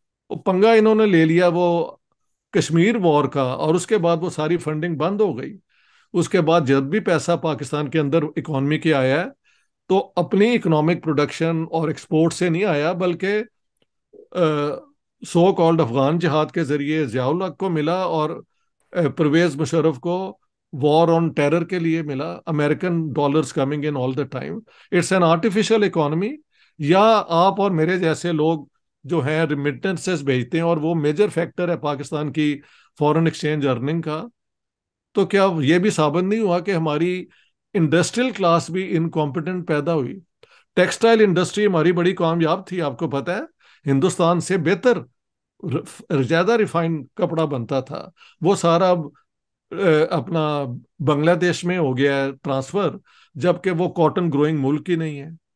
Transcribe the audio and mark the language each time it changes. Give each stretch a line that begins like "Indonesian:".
Urdu: وہ پنگا انہوں نے لے لیا وہ کشمیر وار کا, اور اس کے بعد وہ ساری فنڈنگ بند ہو گئی. اس کے بعد جب بھی پیسہ پاکستان کے اندر اکانومی کے آیا ہے تو اپنی اکنامک پروڈکشن اور ایکسپورٹ سے نہیں آیا بلکہ سو کالڈ افغان جہاد کے ذریعے ضیاء الحق کو ملا اور پرویز مشرف کو وار آن ٹیرر کے لیے ملا.
English: American dollars coming in all the time, it's an artificial economy.
Urdu: یا آپ اور میرے جیسے لوگ جو ہیں ریمیٹنسز بھیجتے ہیں اور وہ میجر فیکٹر ہے پاکستان کی فورن ایکسچینج ارننگ کا, تو کیا یہ بھی ثابت نہیں ہوا کہ ہماری انڈسٹریل کلاس بھی انکمپیٹنٹ پیدا ہوئی؟ ٹیکسٹائل انڈسٹری ہماری بڑی کامیاب تھی, آپ کو پتہ ہے ہندوستان سے بہتر زیادہ ریفائنڈ کپڑا بنتا تھا, وہ سارا اپنا بنگلہ دیش میں ہو گیا ہے ٹرانسفر, جبکہ وہ کاٹن گروئنگ ملک ہی نہیں ہے.